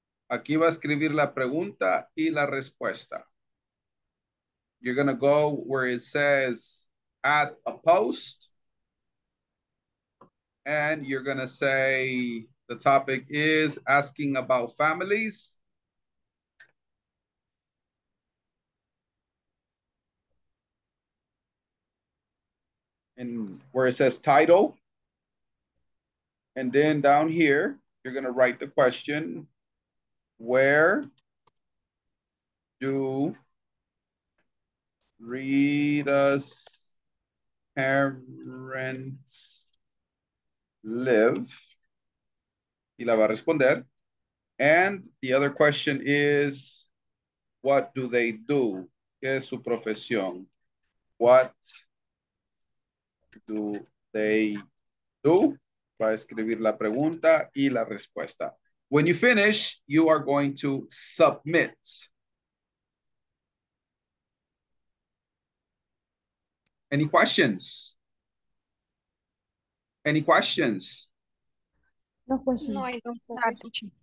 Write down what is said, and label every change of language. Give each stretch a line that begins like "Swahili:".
Spanish: Aquí va a escribir la pregunta y la respuesta.
English: You're gonna go where it says add a post. And you're gonna say the topic is asking about families. And where it says title. And then down here, you're gonna write the question. Where do Rita's parents live?
Spanish: Y la va a responder.
English: And the other question is, what do they do?
Spanish: ¿Qué es su profesión?
English: What do they do?
Spanish: Va a escribir la pregunta y la respuesta.
English: When you finish, you are going to submit. Any questions? Any questions? No questions. No, I don't.